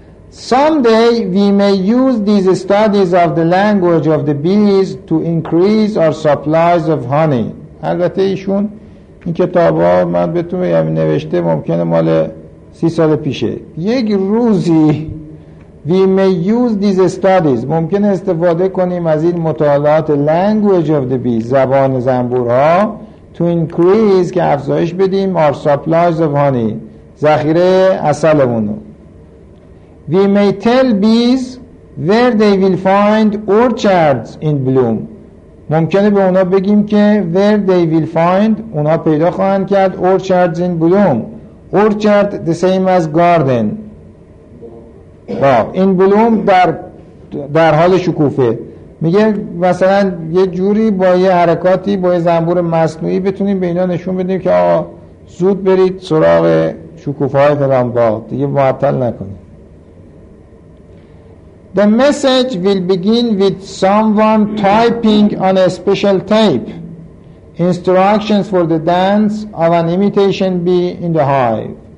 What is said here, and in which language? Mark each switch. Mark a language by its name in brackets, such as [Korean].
[English] Someday we may use these studies of the language of the bees to increase our supplies of honey. [Persian] البته ایشون این کتاب ها من بهتون بگم نوشته, ممکنه مال 30 سال پیشه. یک روزی [English] we may use these studies. [Persian] ممکن استفاده کنیم از این مطالعات [English] language of the bees, [Persian] زبان زنبورها, [English] to increase, [Persian] که افزایش بدیم [English] our supplies of honey, [Persian] ذخیره عسلمون. [English] We may tell bees where they will find orchards in bloom. [Persian] ممکنه به اونا بگیم که [English] where they will find, [Persian] اونا پیدا خواهند کرد [English] orchards in bloom. Orchard the same as garden. [Persian] این بلوم در حال شکوفه. میگه مثلا یه جوری با یه حرکاتی با یه زنبور مصنوعی بتونیم به اینا نشون بدیم که آقا زود برید سراغ شکوفه های فلان باغ دیگه معطل نکنید. [English] The message will begin with someone typing on a special tape instructions for the dance of an imitation bee in the hive.